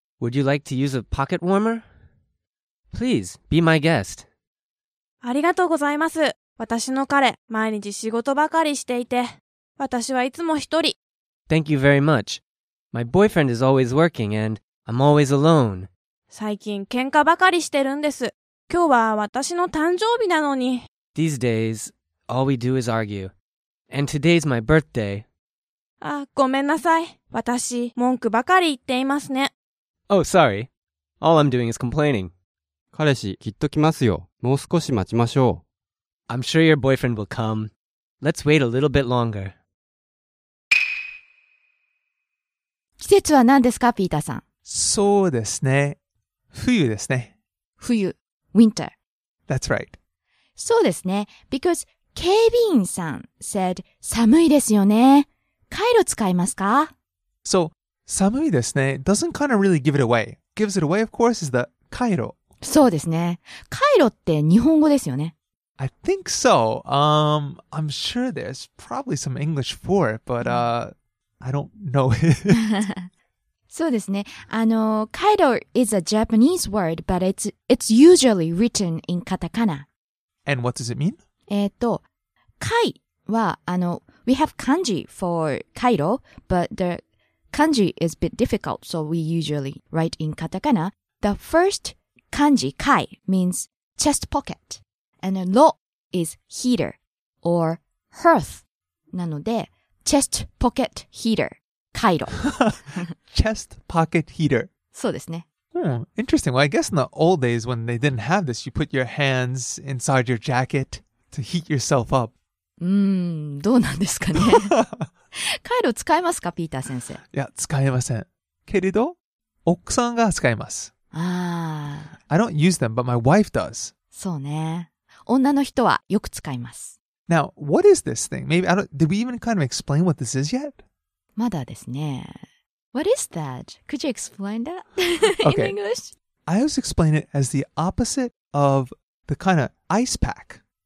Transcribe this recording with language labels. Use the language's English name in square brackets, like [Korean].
[English] Would you like to use a pocket warmer? Please, be my guest. [Japanese] ありがとうございます。私の彼、毎日仕事ばかりしていて、私はいつも一人。 [English] Thank you very much. My boyfriend is always working and I'm always alone. [Japanese] 最近喧嘩ばかりしてるんです。今日は私の誕生日なのに。 [English] These days, all we do is argue. And today's my birthday. [Japanese] あ、ごめんなさい。私、文句ばかり言っていますね。 [English] Oh, sorry. All I'm doing is complaining. [Japanese] 彼氏、きっと来ますよ。もう少し待ちましょう。 [English] I'm sure your boyfriend will come. Let's wait a little bit longer. [Japanese] 季節は何ですか、ピーターさん。そうですね。冬ですね。冬。Winter. [English] That's right. [Japanese] そうですね。Because 警備員さん said 寒いですよね。カイロ使いますか？ [English] So, 寒いですね doesn't kind of really give it away. Gives it away, of course, is the カイロ。 [Japanese] そうですね。カイロって日本語ですよね。 [English] I think so. I'm sure there's probably some English for it, but, I don't know it. [Japanese] そうですね。 [English] カイロ is a Japanese word, but it's usually written in katakana. And what does it mean? Kai は、we have kanji for kairo, but the kanji is a bit difficult, so we usually write in katakana. The first kanji, kai, means chest pocket. And lo is heater or hearth. なので、Chest pocket heater. カイロ Chest pocket heater. [Japanese] そうですね。 [English] Interesting. Well, I guess in the old days when they didn't have this, you put your hands inside your jacket to heat yourself up. [Japanese] どうなんですかね。カイロ使えますか、ピーター先生。いや、使えません。けれど、奥さんが使えます。ああ。 [English] I don't use them, but my wife does. [Japanese] そうね。女の人はよく使います。 [English] Now, what is this thing? Maybe, did we even kind of explain what this is yet? まだですね。 What is that? Could you explain that in okay. English? I always explain it as the opposite of the kind of ice pack.